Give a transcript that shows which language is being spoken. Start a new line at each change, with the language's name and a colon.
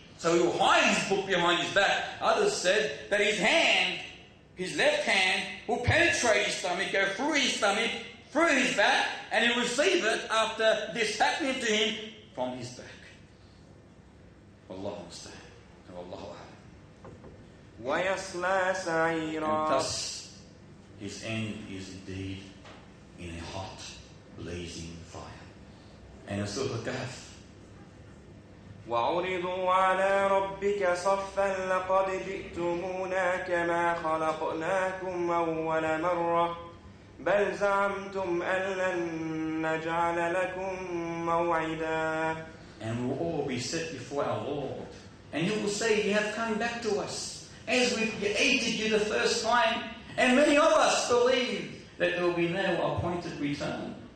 English: So he will hide his book behind his back. Others said that his hand, his left hand, will penetrate his stomach, go through his stomach, through his back, and he'll receive it after this happening to him from his back.
Arabic: Allah Musta'an. Allah Musta'an.
English: And thus, his end is indeed in a hot, blazing fire. And a silver calf.
Arabic: وعرضوا على ربك صفا لقد جئتمونا كما خلقناكم أول مرة بل زعمتم أن لن نجعل لكم موعدا.
English: And we will all be set before our Lord, and He will say, "You have come back to us as we created you the first time." And many of us believe that there will be no appointed return.